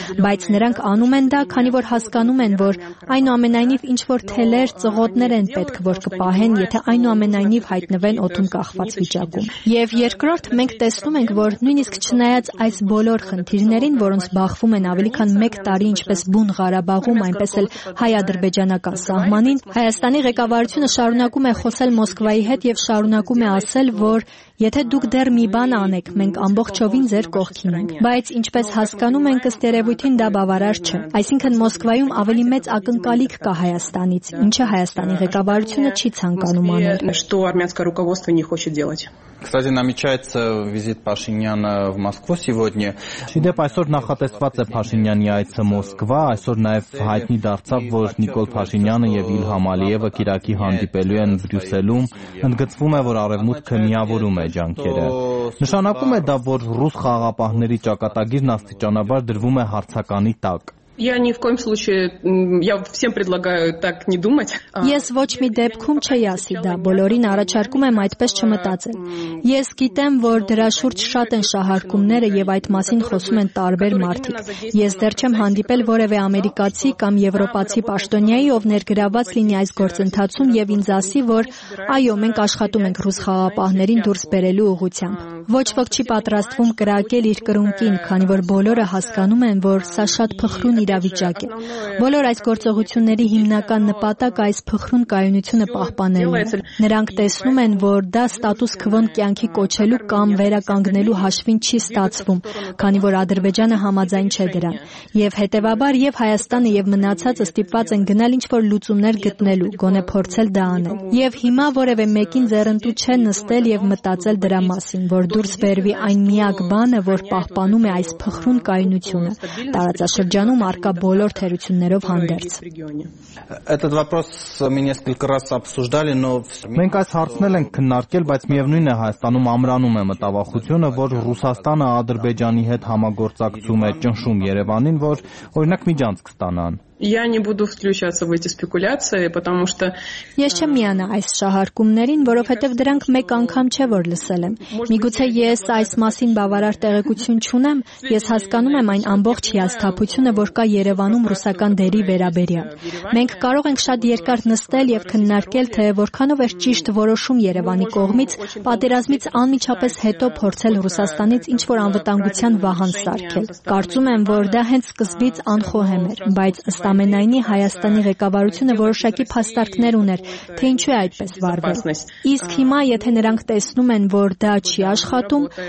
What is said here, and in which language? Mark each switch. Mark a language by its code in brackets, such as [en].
[hy] բայց նրանք անում են դա, քանի որ հասկանում են, որ այնուամենայնիվ ինչ-որ թելեր, ծղոտներ են պետք, որ կպահեն, եթե այնուամենայնիվ հայտնվեն օդում կախված վիճակում։ Եվ երկրորդ, մենք տեսնում ենք, որ նույնիսկ չնայած այս բոլոր խնդիրներին, որոնց բախվում են ավելի քան 1 տարի ինչպես բուն Ղարաբաղում, այնպես էլ հայ-ադրբեջանական սահմանին, Հայաստանի ղեկավարությունը շարունակում է խոսել Մոսկվայի հետ եւ շարունակում է ասել, որ եթե դուք դեռ մի բան անեք, մենք ամբողջովին ձեր կողքին ենք, բայց ինչպես հասկանում ենք ըստ երևույթին դա բավարար չէ։ Այսինքն Մոսկվայում ավելի մեծ ակնկալիք կա Հայաստանից, ինչը Հայաստանի ղեկավարությունը չի ցանկանում անել։ [ru] Что армянское руководство не хочет делать? Кстати, намечается визит Пашиняна в Москву сегодня. [hy] Չնայած այսօր նախատեսված է Փաշինյանի այցը Մոսկվա, այսօր նաև հայտնի դարձավ, որ Նիկոլ Փաշինյանը եւ Իլհամ Ալիևը Կիրակի հանդիպելու են Բրյուսելում, ընդգծվում է, որ արևմուտքը միավորում է ջանքերը։ Նշանակում է դա, որ ռուս խաղապահների ճակատագիրն աստիճանաբար դրվում է հարցականի տակ։ [ru] Я ни в коем случае, я всем предлагаю так не думать. [hy] Ես ոչ մի դեպքում չի ասի դա, բոլորին առաջարկում եմ այդպես չմտածել։ Ես գիտեմ, որ դրա շուրջ շատ են շահարկումները եւ այդ մասին խոսում են տարբեր մարդիկ։ Ես դեռ չեմ հանդիպել որևէ ամերիկացի կամ եվրոպացի պաշտոնյայի, ով ներգրաված լինի այս գործընթացում եւ ինձ ասի, որ այո, մենք աշխատում ենք ռուս խաղապահներին դուրս բերելու ուղղությամբ։ Ոչ ոք չի պատրաստվում կրակել իր կրունկին, քանի որ բոլորը հասկանում են, որ սա շատ փխրուն իրավիճակ է։ Բոլոր այս գործողությունների հիմնական նպատակը այս փխրուն կայունությունը պահպանելն է։ Նրանք տեսնում են, որ դա ստատուս քվոն կյանքի կոչելու կամ վերականգնելու հաշվին չի ստացվում, քանի որ Ադրբեջանը համաձայն չէ դրան։ Եվ հետևաբար, եւ Հայաստանը, եւ մնացածը ստիպված են գնալ ինչ-որ լուծումներ գտնելու, գոնե փորձել դա անել։ Եվ հիմա որևէ մեկին ձեռնտու չէ նստել եւ մտածել դրա մասին, որ դուրս բերվի այն միակ բանը, որ պահպանում է այս փխրուն կայունությունը, տարածաշրջանում առկա բոլոր թերություններով հանդերձ։ [ru] Этот вопрос мы несколько раз обсуждали, но [hy] Մենք այս հարցն ենք քննարկել, բայց միևնույնն է Հայաստանում ամրանում է մտավախությունը, որ Ռուսաստանը Ադրբեջանի հետ համագործակցում է, ճնշում Երևանին, որ օրինակ միջանցք ստանան։ [ru] Я не буду включаться в эти спекуляции, потому что [hy] Ես չեմ միանա այս շահարկումներին, որովհետև դրանք մեկ անգամ չէ որ լսել եմ։ Միգուցե ես այս մասին բավարար տեղեկություն չունեմ, ես հասկանում եմ այն ամբողջ հիասթափությունը, որ կա Երևանում ռուսական դերի վերաբերյալ։ Մենք կարող ենք շատ երկար նստել եւ քննարկել, թե որքանով է ճիշտ որոշում Երևանի կողմից պատերազմից անմիջապես հետո փորձել Ռուսաստանից ինչ որ անվտանգության վահան սարքել։ Կարծում եմ, որ դա հենց սկզբից անխոհեմ էր, բայց Ստամենայնի Հայաստանի ղեկավարությունը որոշակի փաստարկներ ուներ, թե ինչու է այդպես վարվել։ Իսկ հիմա, եթե նրանք տեսնում են, որ դա չի աշխատում,